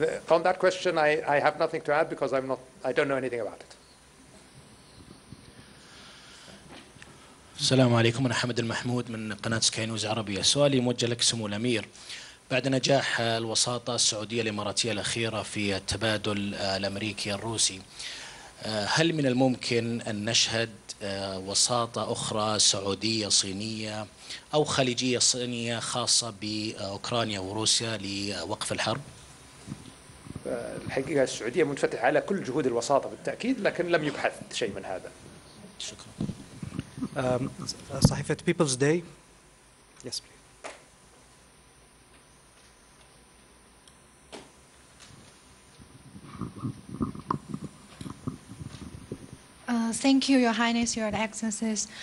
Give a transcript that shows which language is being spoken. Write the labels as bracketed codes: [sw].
[en] On that question, I have nothing to add because I don't know anything about it. [ar] السلام عليكم، أنا حمد المحمود من قناة سكاي نيوز عربية. سؤالي موجه لك سمو الأمير. بعد نجاح الوساطة السعودية الإماراتية الأخيرة في التبادل الأمريكي الروسي، هل من الممكن أن نشهد وساطة أخرى سعودية صينية أو خليجية صينية خاصة بأوكرانيا وروسيا لوقف الحرب؟ الحقيقة السعودية منفتحة على كل جهود الوساطة بالتأكيد، لكن لم يبحث شيء من هذا. شكرا. صحيفة People's Day. [en] Yes, please. Thank you, Your Highness, Your Excellencies.